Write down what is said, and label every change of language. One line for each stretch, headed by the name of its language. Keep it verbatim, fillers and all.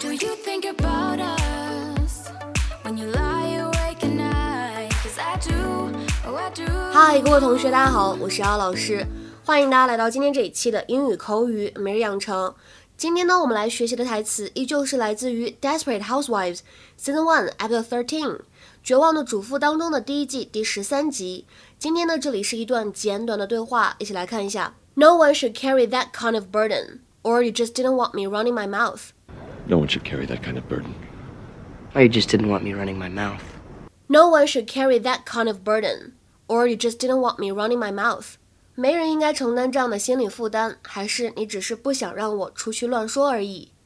English: Do you think about us when you lie awake at night? 'Cause I do, oh I do.
Chinese: 嗨，各位同学，大家好，我是姚老师，欢迎大家来到今天这一期的英语口语每日养成。今天呢，我们来学习的台词依旧是来自于 Desperate Housewives Season one Episode thirteen。绝望的主妇当中的第一季第十三集。今天呢，这里是一段简短的对话，一起来看一下。
English: No one should carry that kind of burden, or you just didn't want me running my mouth. No one should carry that kind of burden. Or you just didn't want me running my mouth. No one should carry that kind of burden, or you just didn't want me running my mouth.
Chinese: 没人应该承担这样的心理负担，还是你只是不想让我出去乱说而已。